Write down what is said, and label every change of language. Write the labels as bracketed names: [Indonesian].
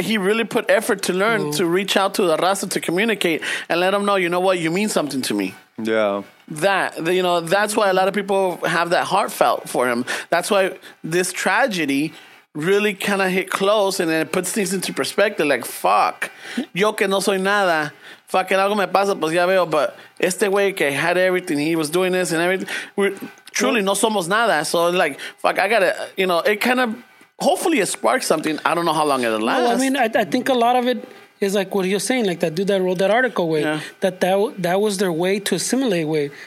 [English] he really put effort to learn to reach out to the raza to communicate and let them know, you know what, you mean something to me. Yeah. That's why a lot of people have that heartfelt for him. That's why this tragedy really kind of hit close, and then it puts things into perspective. Like, fuck, [Spanish] yo que no soy nada, fucking algo me pasa, pues ya veo. [English] But [Spanish] este güey que [English] had everything, he was doing this and everything. We're truly [Spanish] no somos nada. [English] So, like, fuck, I gotta, you know, it kind of, hopefully it sparks something. I don't know how long it'll last. Well, I mean, I think a lot of it is like what you're saying, like that dude that wrote that article way, that was their way to assimilate way.